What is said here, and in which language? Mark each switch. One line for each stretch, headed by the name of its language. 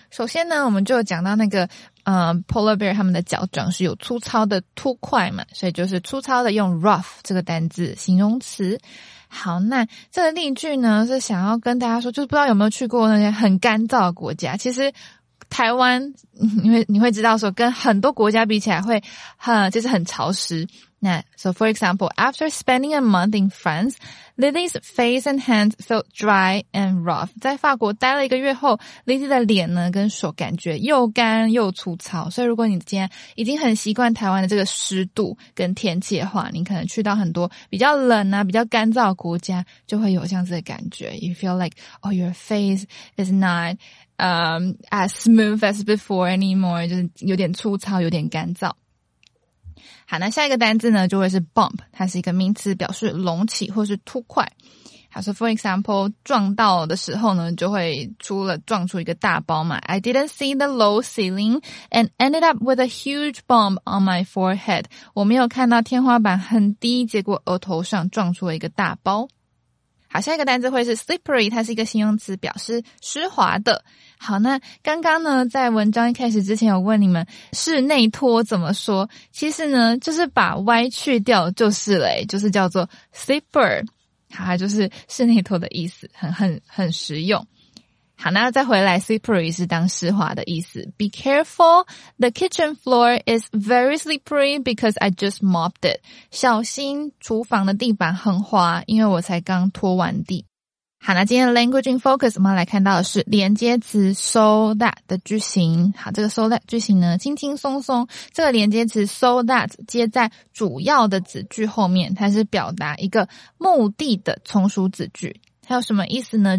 Chinese: 首先呢，我们就有讲到那个polar bear 他们的脚掌是有粗糙的凸块嘛，所以就是粗糙的用 rough 这个单字形容词。好，那这个例句呢是想要跟大家说，就是不知道有没有去过那些很干燥的国家，其实台湾你会知道说跟很多国家比起来会就是很潮湿。那
English: so for example, after spending a month in France, Lily's face and hands felt dry and rough.
Chinese: 在法国待了一个月后， Lily 的脸呢跟手感觉又干又粗糙。所以如果你今天已经很习惯台湾的这个湿度跟天气的话，你可能去到很多比较冷啊比较干燥的国家就会有这样子的感觉。
English: You feel like, oh, your face is not, as smooth as before anymore.
Chinese: 就是有点粗糙有点干燥。好，那下一个单字呢就会是 bump， 它是一个名词表示隆起或是凸块。好，所以
English: for example,
Chinese: 撞到的时候呢就会撞出一个大包嘛。
English: I didn't see the low ceiling and ended up with a huge bump on my forehead.
Chinese: 我没有看到天花板很低，结果额头上撞出了一个大包。好，下一个单字会是 slippery， 它是一个形容词表示湿滑的。好，那刚刚呢在文章一开始之前有问你们室内拖怎么说，其实呢就是把 Y 去掉就是了，就是叫做 slipper， 好，它就是室内拖的意思，很实用。好，那再回来， slippery 是当湿滑的意思。
English: Be careful, the kitchen floor is very slippery because I just mopped it.
Chinese: 小心，厨房的地板很滑，因为我才刚拖完地。好，那今天的 language in focus 我们来看到的是连接词 so that 的句型。好，这个 so that 句型呢轻轻松松，这个连接词 so that 接在主要的子句后面，它是表达一个目的的从属子句。它有什么意思呢？